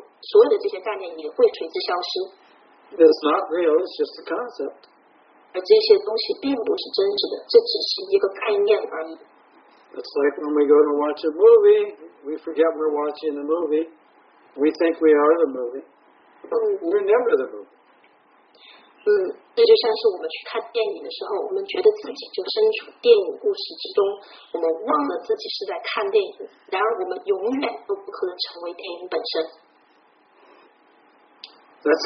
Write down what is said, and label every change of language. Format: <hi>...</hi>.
<zh>然后等到这个身体消失的时候，消亡的时候，所有的这些概念也会随之消失。</zh> <en>It's not real, it's just a concept.</en> <zh>而这些东西并不是真实的，这只是一个概念而已。</zh> <en>It's like when we go to watch a movie, we forget we're watching the movie. We think we are the movie. We're never the movie.</en> <zh>这就像是我们去看电影的时候，我们觉得自己就身处电影故事之中，我们忘了自己是在看电影。然而，我们永远都不可能成为电影本身。</zh> <en>That's</en>